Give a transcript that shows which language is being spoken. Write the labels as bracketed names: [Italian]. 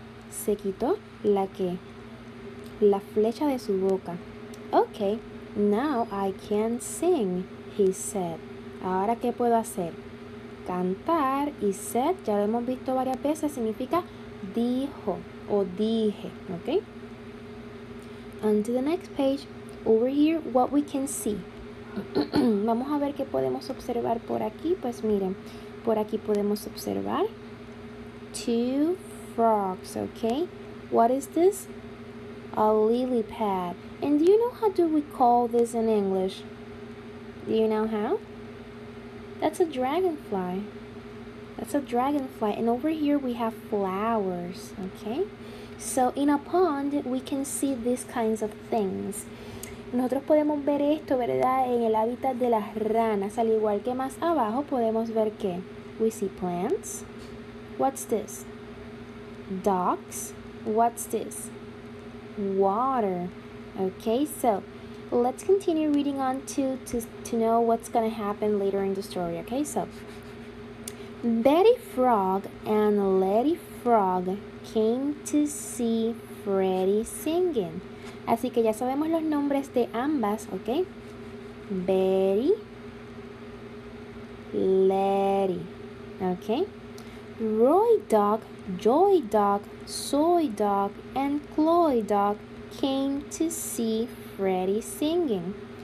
[Spanish] Se quitó la que, la flecha de su boca. [English] Okay, now I can sing, he said. [Spanish] Ahora, ¿qué puedo hacer? Cantar y said, ya lo hemos visto varias veces, significa dijo o dije, okay? [English] On to the next page, over here, what we can see. [Spanish] Vamos a ver qué podemos observar por aquí. Pues miren, por aquí podemos observar [English] two frogs, okay? What is this? A lily pad. And do you know how do we call this in English? Do you know how? That's a dragonfly. That's a dragonfly. And over here we have flowers, okay? So, in a pond, we can see these kinds of things. [Spanish] Nosotros podemos ver esto, ¿verdad? En el hábitat de las ranas, al igual que más abajo, podemos ver que [English] we see plants. What's this? Ducks. What's this? Water. Okay, so, let's continue reading on to know what's going to happen later in the story, okay? So, Betty Frog and Lady Frog came to see Freddy singing. [Spanish] Así que ya sabemos los nombres de ambas, ¿ok? Betty, Letty, ¿ok? [English] Joy Dog, Soy Dog, and Chloe Dog came to see Freddy singing.